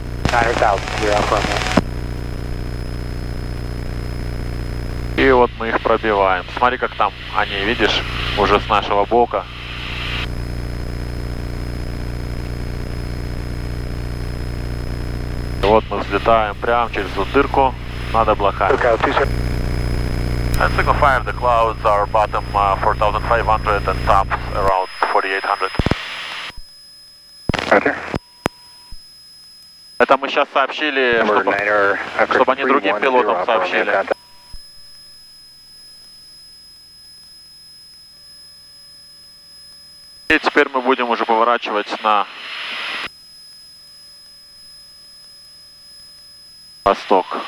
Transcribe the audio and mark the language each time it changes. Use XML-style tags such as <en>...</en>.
<en>900,000, zero Alpha Romeo.</en> <ru>И вот мы их пробиваем. Смотри, как там они, видишь, уже с нашего бока. И вот мы взлетаем прямо через эту дырку над облаками.</ru> <en>Okay, signal fire, the clouds are bottom 4,500 and top around 4,800. Roger.</en> <ru>Это мы сейчас сообщили, чтобы они другим пилотам сообщили. И теперь мы будем уже поворачивать на восток.</ru>